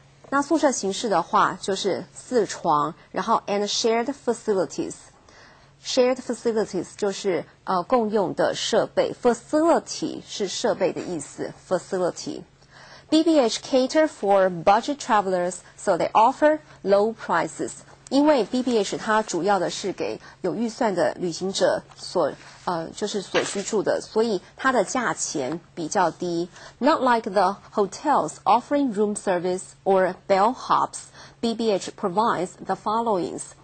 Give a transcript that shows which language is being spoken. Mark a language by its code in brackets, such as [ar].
[zh] 那宿舍形式的话就是四床，然后 [en] and shared facilities。 [zh] Shared facilities 就是共用的设备 ，facility 是设备的意思 ，facility。 [en] BBH cater for budget travelers, so they offer low prices. [zh] 因为 BBH 它主要的是给有预算的旅行者所居住的，所以它的价钱比较低。 [en] Not like the hotels offering room service or bellhops, BBH provides the followings.